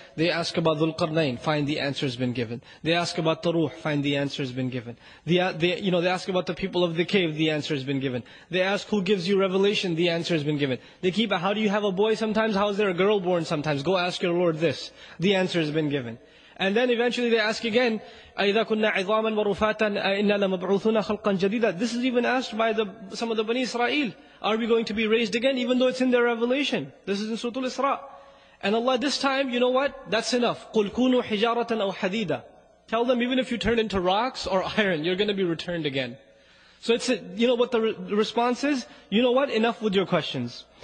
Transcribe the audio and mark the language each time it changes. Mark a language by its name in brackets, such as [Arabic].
[English] They ask about Dhul-Qarnayn, find the answer has been given. They ask about Taruh, find the answer has been given. They ask about the people of the cave, the answer has been given. They ask who gives you revelation, the answer has been given. They keep, how do you have a boy sometimes? How is there a girl born sometimes? Go ask your Lord this. The answer has been given. [Arabic] And then eventually they ask again, أَيْذَا كُنَّا عِظَامًا وَرُفَاتًا أَإِنَّا لَمَبْعُوثُنَا خَلْقًا جَدِيدًا. [English] This is even asked by some of the Bani Israel. Are we going to be raised again, even though it's in their revelation? This is in Surah Al-Isra. And Allah this time, you know what? That's enough. [Arabic] قُلْ كُونُوا حِجَارَةً أَوْ حَدِيدًا. [English] Tell them even if you turn into rocks or iron, you're going to be returned again. So it's response is? You know what? Enough with your questions.